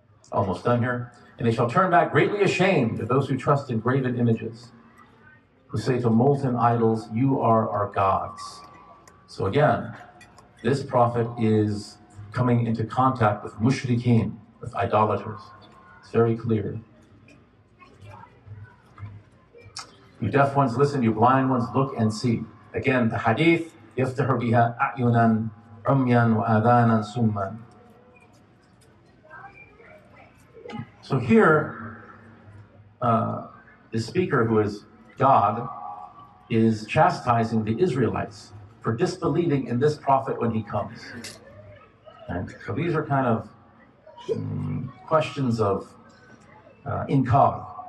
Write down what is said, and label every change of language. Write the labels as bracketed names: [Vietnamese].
[English] Almost done here. And they shall turn back greatly ashamed to those who trust in graven images, who say to molten idols, you are our gods. So again, this prophet is coming into contact with mushrikeen, with idolaters. It's very clear. You deaf ones listen, you blind ones look and see. Again, the hadith, [Arabic] يفتح بها أعينا عميا وآذانا سما. [English] So here, the speaker, who is God, is chastising the Israelites for disbelieving in this prophet when he comes. And so these are kind of questions of inkar.